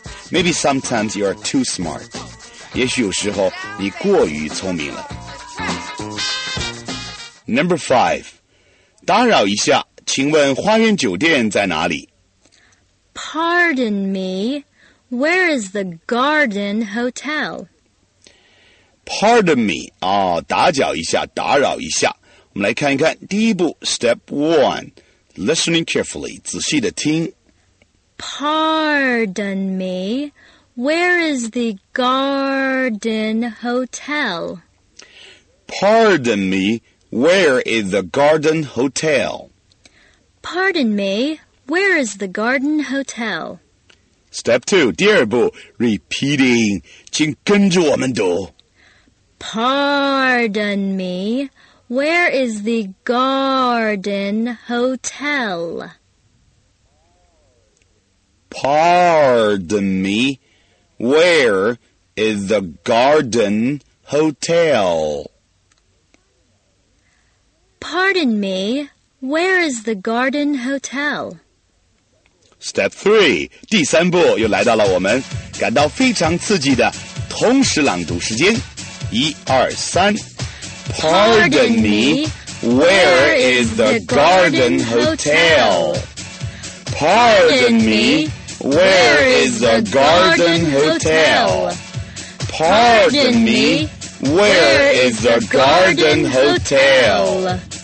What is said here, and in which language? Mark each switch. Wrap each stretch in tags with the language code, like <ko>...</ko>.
<en>Maybe sometimes you are too smart.</en> <zh>也许有时候你过于聪明了。</zh> <en>Number five.</en> <zh>打扰一下，请问花园酒店在哪里？</zh> <en>Pardon me. Where is the Garden Hotel? Pardon me,</en> <zh>啊、哦，打搅一下，打扰一下。我们来看一看第一步 ,</zh> <en>step one, listening carefully,</en> <zh>仔细地听。</zh> <en>Pardon me, where is the Garden Hotel? Pardon me, where is the Garden Hotel? Pardon me, where is the Garden Hotel? Step two,</en> <zh>第二步</zh> <en>repeating,</en> <zh>请跟着我们读。</zh> <en>Pardon me, where is the Garden Hotel? Pardon me, where is the Garden Hotel? Pardon me, where is the Garden Hotel? Step three,</en> <zh>第三步又来到了我们感到非常刺激的同时朗读时间。一二三</zh> <en>Pardon me, Where is the garden hotel? Pardon me, where is the garden hotel? Pardon me, where is the garden hotel?</en>